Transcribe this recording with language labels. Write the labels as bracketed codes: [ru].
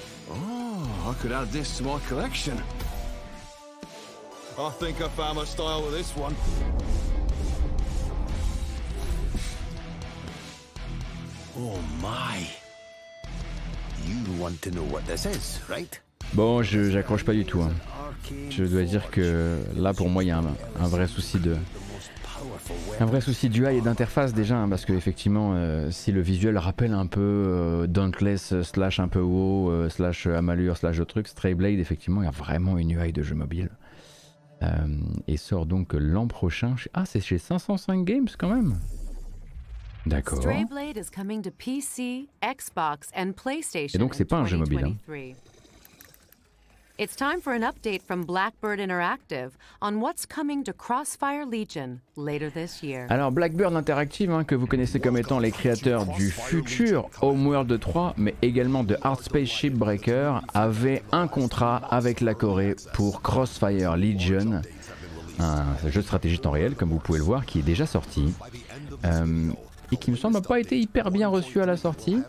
[en] Oh, I could add this to my collection. I think I found my style with this one. Oh my. You want to know what this is, right? [fr] Bon, j'accroche pas du tout. Hein. Je dois dire que là, pour moi, il y a un vrai souci d'UI et d'interface déjà, hein, parce que effectivement, si le visuel rappelle un peu Dauntless slash un peu WoW slash Amalur slash autre truc, Stray Blade, effectivement, il y a vraiment une UI de jeu mobile. Et sort donc l'an prochain. Ah, c'est chez 505 Games quand même. D'accord. [en] Stray Blade is coming to PC, Xbox and PlayStation. [fr] Et donc, c'est pas un jeu mobile. Hein. [en] It's time for an update from Blackbird Interactive on what's coming to Crossfire Legion later this year. [fr] Alors Blackbird Interactive, hein, que vous connaissez comme étant les créateurs du futur Homeworld 3, mais également de Hardspace Shipbreaker, avait un contrat avec la Corée pour Crossfire Legion, un jeu de stratégie temps réel, comme vous pouvez le voir, qui est déjà sorti, et qui me semble pas été hyper bien reçu à la sortie.